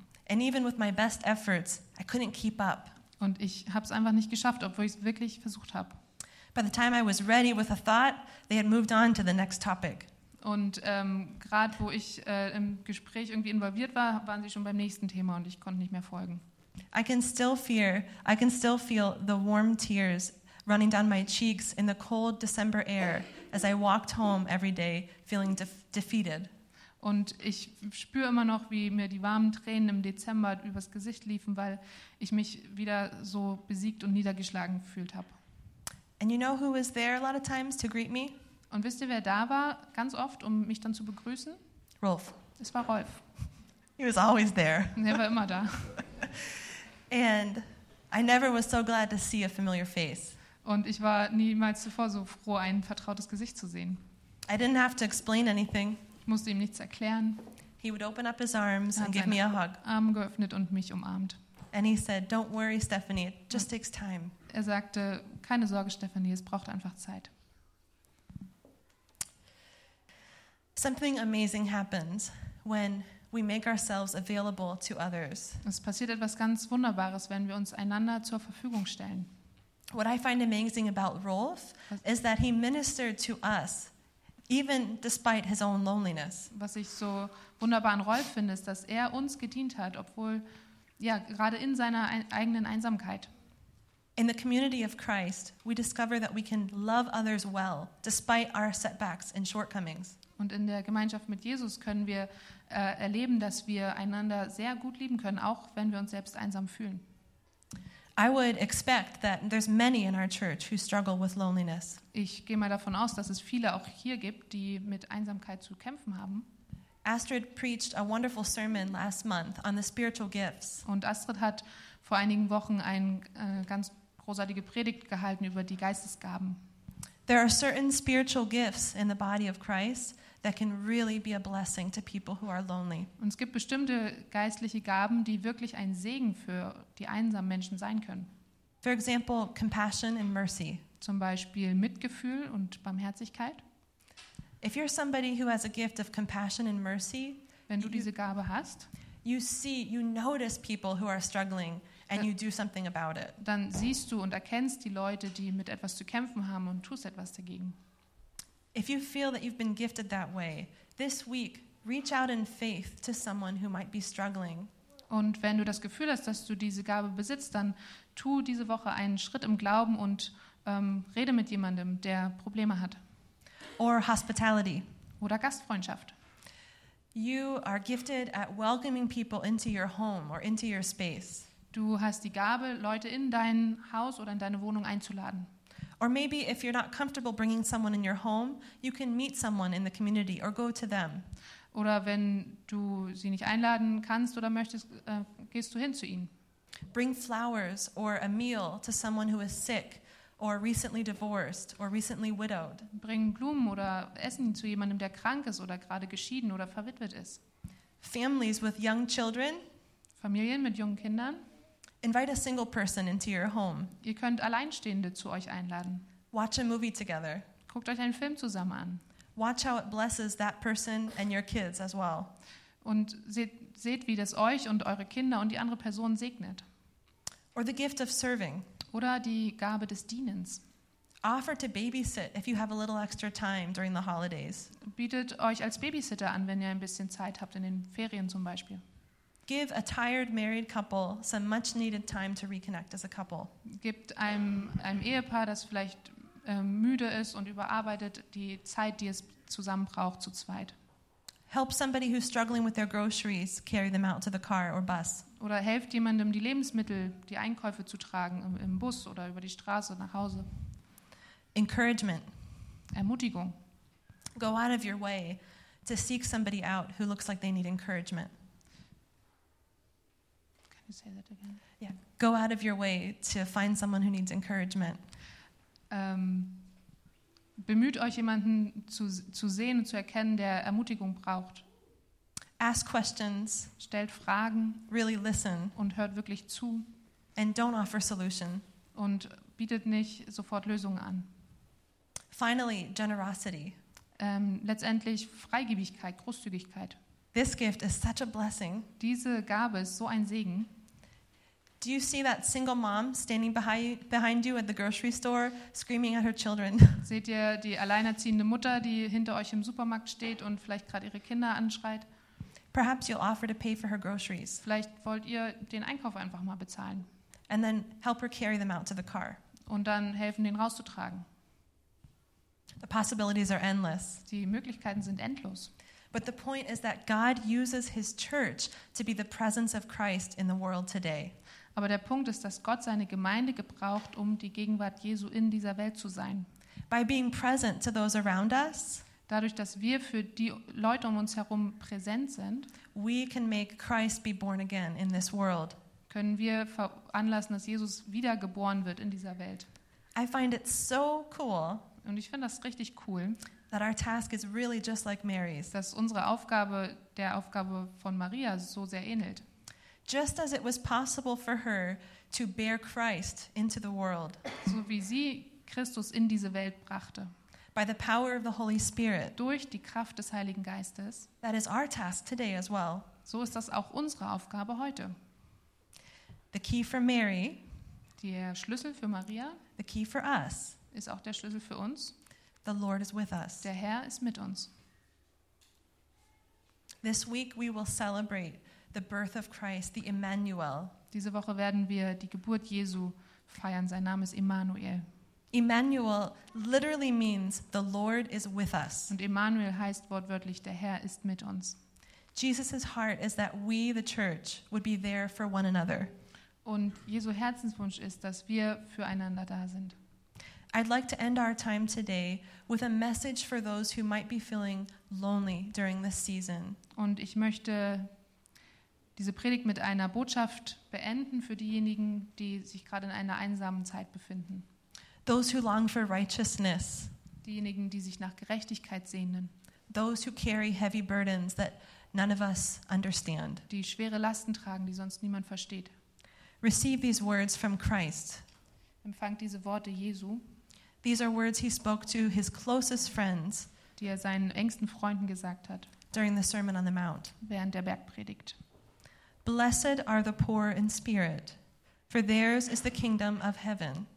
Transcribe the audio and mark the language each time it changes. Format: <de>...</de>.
<en>And even with my best efforts, I couldn't keep up.</en> <de>Und ich habe es einfach nicht geschafft, obwohl ich es wirklich versucht habe.</de> <en>By the time I was ready with a thought, they had moved on to the next topic.</en> <de>Und gerade wo ich im Gespräch irgendwie involviert war, waren sie schon beim nächsten Thema und ich konnte nicht mehr folgen.</de> <en>I can still feel the warm tears running down my cheeks in the cold December air as I walked home every day feeling defeated.</en> <de>Und ich spüre immer noch, wie mir die warmen Tränen im Dezember übers Gesicht liefen, weil ich mich wieder so besiegt und niedergeschlagen gefühlt habe.</de> <en>And you know who was there a lot of times to greet me?</en> <de>Und wisst ihr, wer da war, ganz oft, um mich dann zu begrüßen?</de> <en>Rolf.</en> <de>Es war Rolf.</de> <en>He was always there.</en> <de>Er war immer da.</de> <en>And I never was so glad to see a familiar face.</en> <de>Und ich war niemals zuvor so froh, ein vertrautes Gesicht zu sehen.</de> <en>I didn't have to explain anything.</en> <de>Ich musste ihm nichts erklären.</de> <en>He would open up his arms and give me a hug.</en> <de>Arm geöffnet und mich umarmt.</de> <en>And he said, "Don't worry, Stephanie. It just takes time."</en> <de>Er sagte, keine Sorge, Stephanie, es braucht einfach Zeit.</de> <en>Something amazing happens when we make ourselves available to others.</en> <de>Es passiert etwas ganz Wunderbares, wenn wir uns einander zur Verfügung stellen.</de> <en>What I find amazing about Rolf is that he ministered to us even despite his own loneliness.</en> <de>Was ich so wunderbar an Rolf finde, ist, dass er uns gedient hat, obwohl ja gerade in seiner eigenen Einsamkeit.</de> <en>In the community of Christ, we discover that we can love others well despite our setbacks and shortcomings.</en> <de>Und in der Gemeinschaft mit Jesus können wir erleben, dass wir einander sehr gut lieben können, auch wenn wir uns selbst einsam fühlen.</de> <en>I would expect that there's many in our church who struggle with loneliness.</en> <de>Ich gehe mal davon aus, dass es viele auch hier gibt, die mit Einsamkeit zu kämpfen haben.</de> <en>Astrid preached a wonderful sermon last month on the spiritual gifts.</en> <de>Und Astrid hat vor einigen Wochen eine ganz großartige Predigt gehalten über die Geistesgaben.</de> <en>There are certain spiritual gifts in the body of Christ that can really be a blessing to people who are lonely.</en> <de>Und es gibt bestimmte geistliche Gaben, die wirklich ein Segen für die einsamen Menschen sein können.</de> <en>For example, compassion and mercy.</en> <de>Zum Beispiel Mitgefühl und Barmherzigkeit.</de> <en>If you're somebody who has a gift of compassion and mercy,</en> <de>wenn du diese Gabe hast,</de> <en>you notice people who are struggling and you do something about it.</en> <de>Dann siehst du und erkennst die Leute, die mit etwas zu kämpfen haben und tust etwas dagegen.</de> <en>If you feel that you've been gifted that way, this week reach out in faith to someone who might be struggling.</en> <de>Und wenn du das Gefühl hast, dass du diese Gabe besitzt, dann tu diese Woche einen Schritt im Glauben und rede mit jemandem, der Probleme hat.</de> <en>Or hospitality.</en> <de>Oder Gastfreundschaft.</de> <en>You are gifted at welcoming people into your home or into your space.</en> <de>Du hast die Gabe, Leute in dein Haus oder in deine Wohnung einzuladen.</de> <en>Or maybe if you're not comfortable bringing someone in your home, you can meet someone in the community or go to them.</en> <de>Oder wenn du sie nicht einladen kannst oder möchtest, gehst du hin zu ihnen.</de> <en>Bring flowers or a meal to someone who is sick or recently divorced or recently widowed.</en> <de>Bring Blumen oder Essen zu jemandem, der krank ist oder gerade geschieden oder verwitwet ist.</de> <en>Families with young children.</en> <de>Familien mit jungen Kindern.</de> <en>Invite a single person into your home.</en> <de>Ihr könnt Alleinstehende zu euch einladen.</de> <en>Watch a movie together.</en> <de>Guckt euch einen Film zusammen an.</de> <en>Watch how it blesses that person and your kids as well.</en> <de>Und seht, wie das euch und eure Kinder und die andere Person segnet.</de> <en>Or the gift of serving.</en> <de>Oder die Gabe des Dienens.</de> <en>Offer to babysit if you have a little extra time during the holidays.</en> <de>Bietet euch als Babysitter an, wenn ihr ein bisschen Zeit habt in den Ferien zum Beispiel.</de> <en>Give a tired married couple some much needed time to reconnect as a couple.</en> <de>Gibt einem Ehepaar, das vielleicht müde ist und überarbeitet, die Zeit, die es zusammen braucht, zu zweit.</de> <en>Help somebody who's struggling with their groceries carry them out to the car or bus.</en> <de>Oder helft jemandem, die Lebensmittel, die Einkäufe zu tragen im Bus oder über die Straße nach Hause.</de> <en>Encouragement.</en> <de>Ermutigung.</de> <en>Go out of your way to seek somebody out who looks like they need encouragement. Say that again. Yeah. Go out of your way to find someone who needs encouragement.</en> <de>Bemüht euch, jemanden zu sehen und zu erkennen, der Ermutigung braucht.</de> <en>Ask questions.</en> <de>Stellt Fragen.</de> <en>Really listen.</en> <de>Und hört wirklich zu.</de> <en>And don't offer solution.</en> <de>Und bietet nicht sofort Lösungen an.</de> <en>Finally, generosity.</en> <de>Letztendlich Freigebigkeit, Großzügigkeit.</de> <en>This gift is such a blessing.</en> <de>Diese Gabe ist so ein Segen.</de> <en>Do you see that single mom standing behind you at the grocery store screaming at her children?</en> <de>Seht ihr die alleinerziehende Mutter, die hinter euch im Supermarkt steht und vielleicht gerade ihre Kinder anschreit?</de> <en>Perhaps you'll offer to pay for her groceries.</en> <de>Vielleicht wollt ihr den Einkauf einfach mal bezahlen.</de> <en>And then help her carry them out to the car.</en> <de>Und dann helfen, den rauszutragen.</de> <en>The possibilities are endless.</en> <de>Die Möglichkeiten sind endlos.</de> <en>But the point is that God uses his church to be the presence of Christ in the world today.</en> <de>Aber der Punkt ist, dass Gott seine Gemeinde gebraucht, um die Gegenwart Jesu in dieser Welt zu sein.</de> <en>By being present to those around us,</en> <de>dadurch, dass wir für die Leute um uns herum präsent sind,</de> <en>we can make Christ be born again in this world.</en> <de>Können wir veranlassen, dass Jesus wiedergeboren wird in dieser Welt.</de> <en>I find it so cool.</en> <de>Und ich finde das richtig cool.</de> <en>That our task is really just like Mary's.</en> <de>Dass unsere Aufgabe der Aufgabe von Maria so sehr ähnelt.</de> <en>Just as it was possible for her to bear Christ into the world.</en> <de>So wie sie Christus in diese Welt brachte.</de> <en>By the power of the Holy Spirit.</en> <de>Durch die Kraft des Heiligen Geistes.</de> <en>That is our task today as well.</en> <de>So ist das auch unsere Aufgabe heute.</de> <en>The key for Mary.</en> <de>Der Schlüssel für Maria.</de> <en>The key for us.</en> <de>Ist auch der Schlüssel für uns.</de> <en>The Lord is with us.</en> <de>Der Herr ist mit uns.</de> <en>This week we will celebrate the birth of Christ, the Emmanuel.</en> <de>Diese Woche werden wir die Geburt Jesu feiern. Sein Name ist Emmanuel.</de> <en>Emmanuel literally means the Lord is with us.</en> <de>Und Emmanuel heißt wortwörtlich der Herr ist mit uns.</de> <en>Jesus's heart is that we the church would be there for one another.</en> <de>Und Jesu Herzenswunsch ist, dass wir füreinander da sind.</de> <en>I'd like to end our time today with a message for those who might be feeling lonely during this season.</en> <de>Und ich möchte diese Predigt mit einer Botschaft beenden für diejenigen, die sich gerade in einer einsamen Zeit befinden.</de> <en>Those who long for righteousness.</en> <de>Diejenigen, die sich nach Gerechtigkeit sehnen.</de> <en>Those who carry heavy burdens that none of us understand.</en> <de>Die schwere Lasten tragen, die sonst niemand versteht.</de> <en>Receive these words from Christ.</en> <de>Empfangt diese Worte Jesu.</de> <en>These are words he spoke to his closest friends,</en> <de>die er seinen engsten Freunden gesagt hat,</de> <en>during the Sermon on the Mount,</en> <de>während der Bergpredigt.</de> <en>Blessed are the poor in spirit, for theirs is the kingdom of heaven.</en>